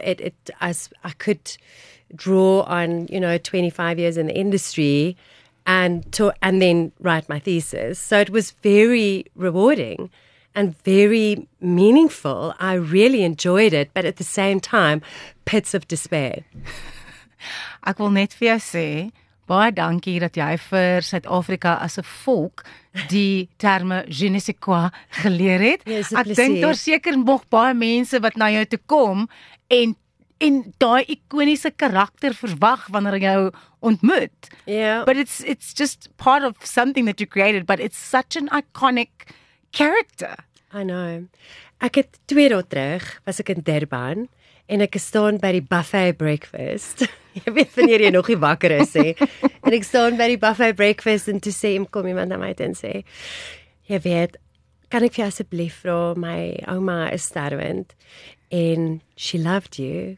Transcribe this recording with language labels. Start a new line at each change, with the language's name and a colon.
English: I could draw on, you know, 25 years in the industry and then write my thesis. So it was very rewarding and very meaningful. I really enjoyed it, but at the same time, pits of despair.
Afrikaans: Ek wil net vir jou sê, baie dankie dat jy vir Suid-Afrika as 'n volk die terme je ne sais quoi geleer het.
English: Yes,
Afrikaans: ek dink daar seker nog baie mense wat na jou toe kom en daai ikoniese karakter verwag wanneer hulle jou ontmoet.
English: Yeah. But it's just part of something that you created, but it's such an iconic character. I know.
Afrikaans: Ek het 2 dae terug was ek in Durban. En ek staan by die buffet breakfast. Jy weet wanneer jy nog nie wakker is, hè. En ek staan by die buffet breakfast en toe sê, kom iemand na my toe en sê, jy weet, kan ek vir jou asseblief vra, my ouma is sterwend en
English: she loved you.